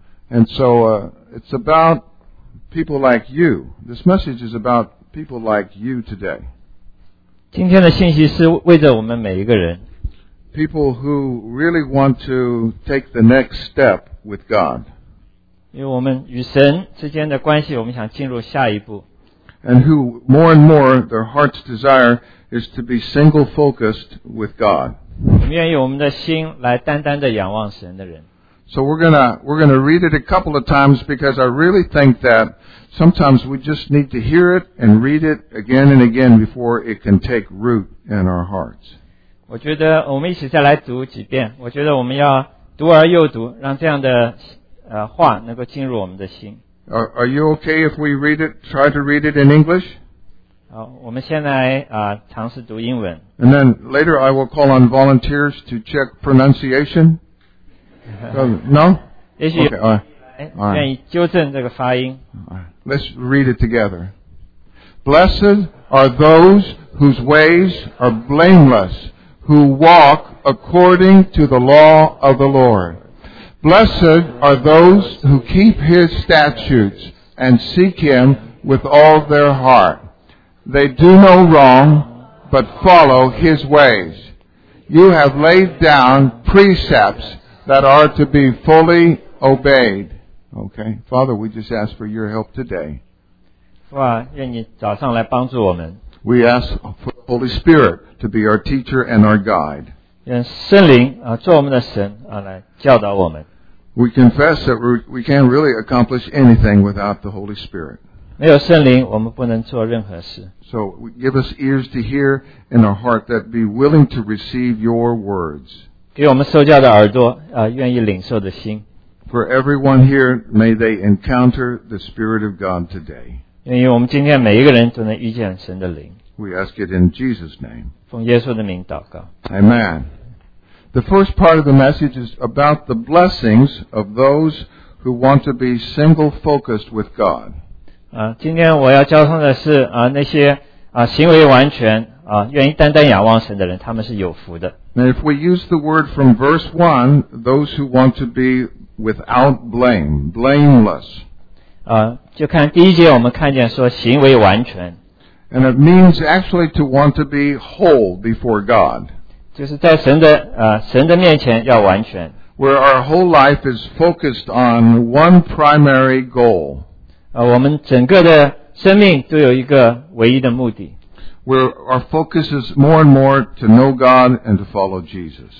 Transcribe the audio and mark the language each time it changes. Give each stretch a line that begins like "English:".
English: And so it's about people like you. This message is about people like you today.
Chinese: 今天的信息是为着我们每一个人。
English: People who really want to take the next step with God.
Chinese: 因为我们与神之间的关系，我们想进入下一步。
English: And who more and more their heart's desire is to be single focused with God.
Chinese: 我们愿意我们的心来单单的仰望神的人。
English: So we're gonna read it a couple of times because I really think that sometimes we just need to hear it and read it again and again before it can take root in our hearts.
Chinese: 我觉得我们一起再来读几遍。我觉得我们要读而又读，让这样的话能够进入我们的心。
English: Are you okay if we read it? Try to read it in English.
Chinese: 好，我们先来尝试读英文。
English: And then later I will call on volunteers to check pronunciation. No? Okay, Let's read it together. Blessed are those whose ways are blameless, who walk according to the law of the Lord. Blessed are those who keep His statutes and seek Him with all their heart. They do no wrong, but follow His ways. You have laid down precepts. That are to be fully obeyed. Okay. Father, we just ask for your help today.
Chinese: 父啊，愿你早上来帮助我们。
English: We ask for the Holy Spirit to be our teacher and our guide.
Chinese: 愿圣灵做我们的神来教导我们。
English: We confess that we can't really accomplish anything without the Holy Spirit.
Chinese: 没有圣灵，我们不能做任何事。
English: So give us ears to hear and a heart that be willing to receive your words.
Chinese: 给我们受教的耳朵愿意领受的心。
English: For everyone here, may they encounter the Spirit of God today.
Chinese: 愿意我们今天每一个人都能遇见神的灵。
English: We ask it in Jesus' name.
Chinese: 奉耶稣的名祷告。
English: Amen. The first part of the message is about the blessings of those who want to be single-focused with God.
Chinese: 今天我要交通的是那些行为完全愿意单单仰望神的人，他们是有福的。
English: Now if we use the word from verse 1, those who want to be without blame, blameless.
Chinese: 就看第一节我们看见说行为完全。
English: And it means actually to want to be whole before God.
Chinese: 就是在神的面前要完全。
English: Where our whole life is focused on one primary goal.
Chinese: 我们整个的生命都有一个唯一的目的。
English: Where our focus is more and more to know God and to follow Jesus.